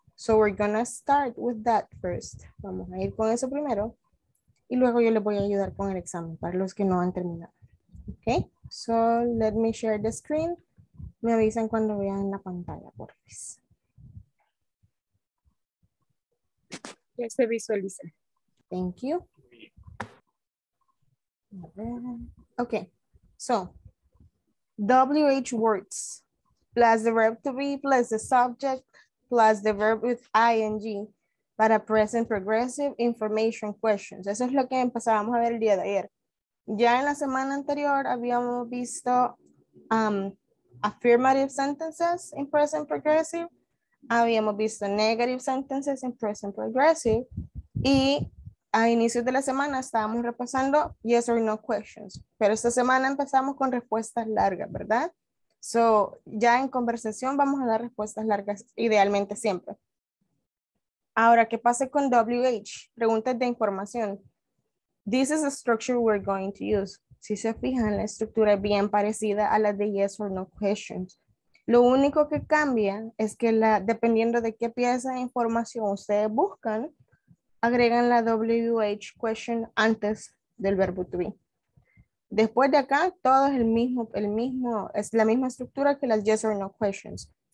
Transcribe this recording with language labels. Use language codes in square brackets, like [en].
[en] So we're going to start with that first. [es] Vamos a ir con eso primero. Y luego yo les voy a ayudar con el examen para los que no han terminado. [en] Okay, so let me share the screen. [es] Me avisan cuando vean la pantalla, por favor. Ya se visualiza. [en] Thank you. Okay, so WH words plus the verb to be plus the subject plus the verb with ing. Para present progressive information questions. [es] Eso es lo que empezábamos a ver el día de ayer. Ya en la semana anterior habíamos visto [en] affirmative sentences in present progressive. [es] Habíamos visto [en] negative sentences in present progressive. [es] Y a inicios de la semana estábamos repasando [en] yes or no questions. [es] Pero esta semana empezamos con respuestas largas, ¿verdad? So, ya en conversación vamos a dar respuestas largas idealmente siempre. Ahora, ¿qué pasa con WH? Preguntas de información. [en] This is the structure we're going to use. [es] Si se fijan, la estructura es bien parecida a la de [en] yes or no questions. [es] Lo único que cambia es que la, dependiendo de qué pieza de información ustedes buscan, agregan la WH question antes del verbo to be. Después de acá, todo es es la misma estructura que las [en] yes or no questions.